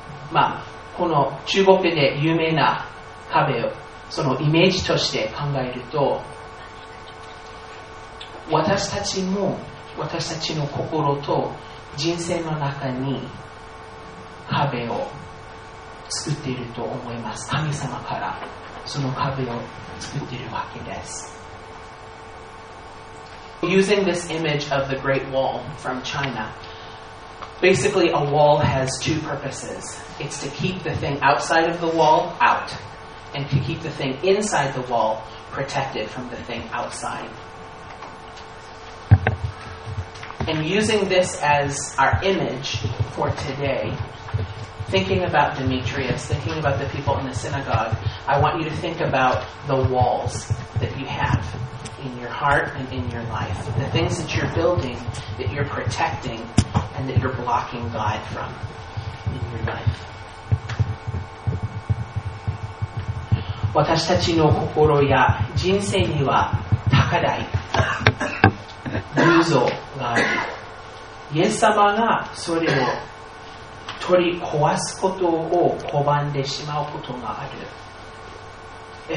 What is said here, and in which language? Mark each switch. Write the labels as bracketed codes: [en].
[ja] まあ、この中国で有名な壁をそのイメージとして考えると、私たちも私たちの心と人生の中に壁を作っていると思います。神様からその壁を作っているわけです。 [en] Using this image of the Great Wall from ChinaBasically, a wall has two purposes. It's to keep the thing outside of the wall out, and to keep the thing inside the wall protected from the thing outside. And using this as our image for today, thinking about Demetrius, thinking about the people in the synagogue, I want you to think about the walls that you have in your heart and in your life. The things that you're building, that you're protecting,and that you're blocking God from in your life. [ja] 私たちの心や人生には高台、偶像があり、イエス様がそれを取り壊すことを拒んでしまうことがある。